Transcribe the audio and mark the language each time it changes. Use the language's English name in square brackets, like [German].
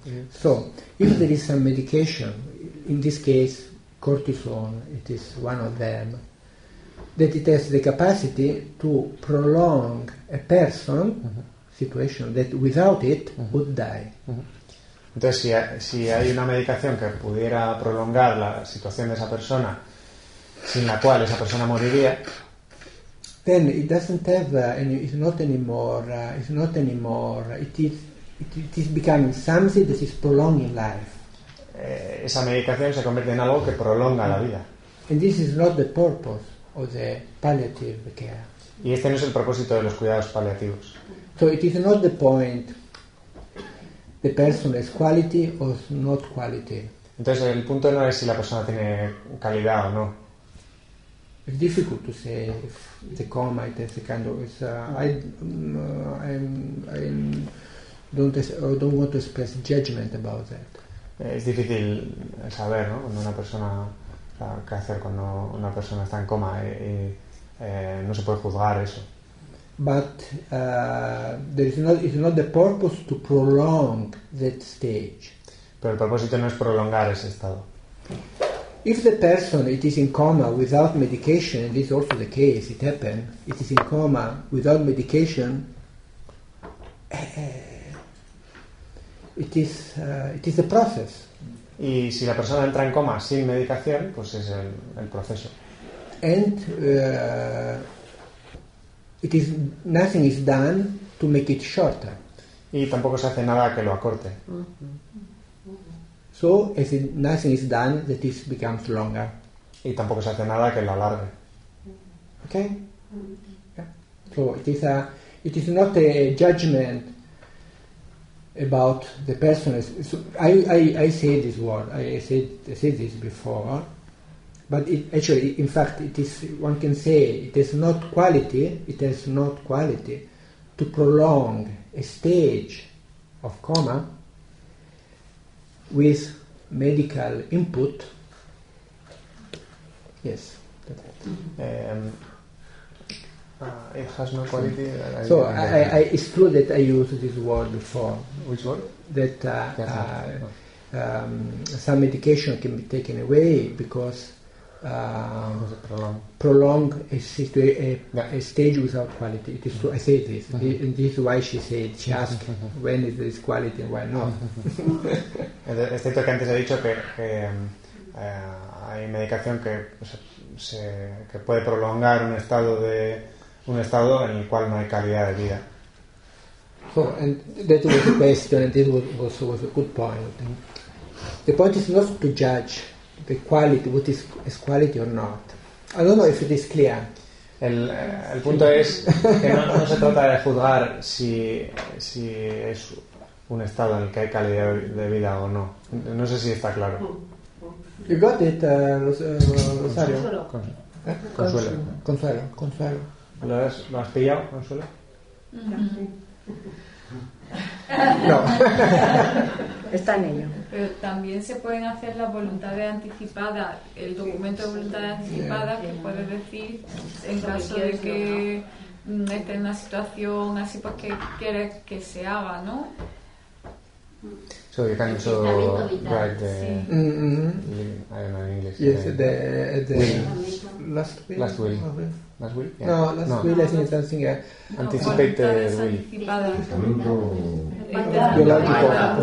[English] So if there is some medication, in this case cortisone, it is one of them, that it has the capacity to prolong a person situation that without it would die. [Spanish] Entonces, si hay una medicación que pudiera prolongar la situación de esa persona, sin la cual esa persona moriría, [English] then it doesn't have it is becoming something that is prolonging life. [Spanish] Esa medicación se convierte en algo que prolonga la vida. [English] And this is not the purpose of the palliative care. [Spanish] Y este no es el propósito de los cuidados paliativos. [English] So it is not the point the person has quality or not quality. [Spanish] Entonces el punto no es si la persona tiene calidad o no. [English] It's difficult to say if the coma it has a kind of I don't want to express judgment about that. [Spanish] Es difícil saber, ¿no? Cuando una persona, qué hacer cuando una persona está en coma, no se puede juzgar eso. [English] But it's not the purpose to prolong that stage. [Spanish] Pero el propósito no es prolongar ese estado. [English] If the person it is in coma without medication, and this is also the case, it happened, it is in coma without medication. It is a process. [Spanish] Y si la persona entra en coma sin medicación, pues es el proceso. [English] And it is nothing is done to make it shorter. [Spanish] Y tampoco se hace nada que lo acorte. [English] So as it, nothing is done that it becomes longer. [Spanish] Y tampoco se hace nada que lo alargue. [English] Okay. Yeah. So it is not a judgment about the person. So I say this word. I said this before, but one can say it has not quality. It has not quality to prolong a stage of coma with medical input. Yes. It has no quality. So I it's true that I used this word before. Which word? That some medication can be taken away because prolong a stage without quality. It is true. I say this, and this is why she said she asked when is this quality and why not. [Spanish] Es cierto que antes he dicho que hay medicación que puede prolongar un estado en el cual no hay calidad de vida. [English] Well, and that was the question, and this was also was a good point. And the point is not to judge the quality, what is quality or not. I don't know if it is clear. [Spanish] El punto es que no se trata de juzgar si es un estado en el que hay calidad de vida o no. No sé si está claro. [English] You got it, Rosario. Consuelo. Consuelo. [Spanish] ¿Lo has pillado, Consuelo? No. Está en ello. Pero también se pueden hacer las voluntades anticipadas, el documento de voluntades anticipadas, que puede decir, en caso de que esté en una situación así, pues que quieres que se haga, ¿no? [English] So you can also write the I don't know in English. Yes, the last will. Last will. Last will? Yeah. No, last no. Will, I think something anticipated will. You like to